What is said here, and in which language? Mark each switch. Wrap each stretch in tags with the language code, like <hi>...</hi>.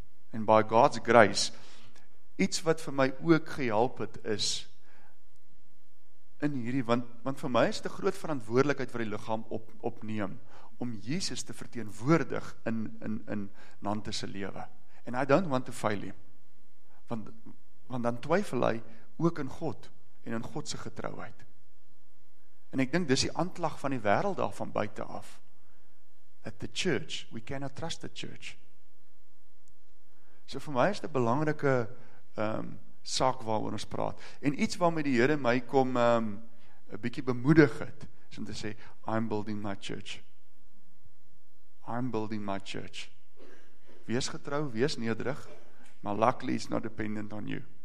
<af>En</af> <en>by God's grace,</en> <af>iets wat vir my ook gehelp het is, in hierdie, want vir my is dit 'n groot verantwoordelikheid wat die liggaam opneem, om Jesus te verteenwoordig in Nantes se lewe.</af> <en>And I don't want to fail him.</en> <af>Want dan twyfel hy ook in God en in God se getrouheid. En ek dink dis die aanklag van die wêreld daar van buite af.</af> <en>That the church, we cannot trust the church.</en> <af>So vir my is dit 'n belangrike saak waaroor ons praat. En iets waarmee die Here my kom 'n bietjie bemoedig het, is om te sê,</af> <en>I'm building my church. I'm building my church.</en> <af>Wees getrou, wees nederig, maar</af> <en>luckily it's not dependent on you.</en>